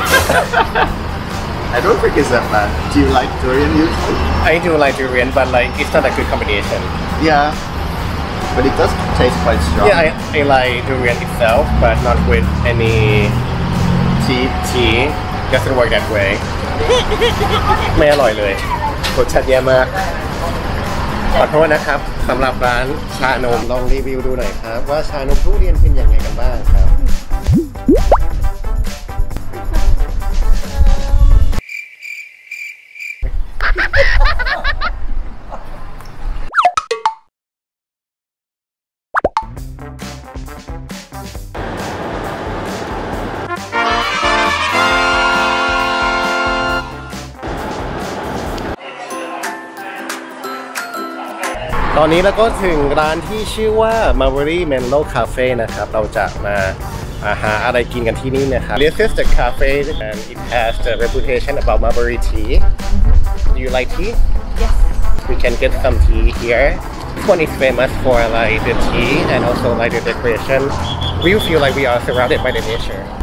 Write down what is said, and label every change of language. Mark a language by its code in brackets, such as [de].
[en] I don't think it's that bad. Do you like durian usually? I do like durian, but like it's not a good combination. Yeah, but it does taste quite strong. Yeah, I like durian itself, but not with any tea. Doesn't work that way. [th] ไม่อร่อยเลยรสชาติแย่มาก ขอโทษนะครับสำหรับร้านชานมลองรีวิวดูหน่อยครับว่าชานมทุเรียนเป็นยังไงกันบ้างครับ ตอนนี้เราก็ถึงร้านที่ชื่อว่า Marbury Mellow Cafe นะครับเราจะมาหาอะไรกินกันที่นี่นะครับ [en] This is the cafe and it has the reputation about Marbury tea. Do you like tea? Yes. We can get some tea here. This one is famous for like the tea and also like the decoration. We feel like we are surrounded by the nature.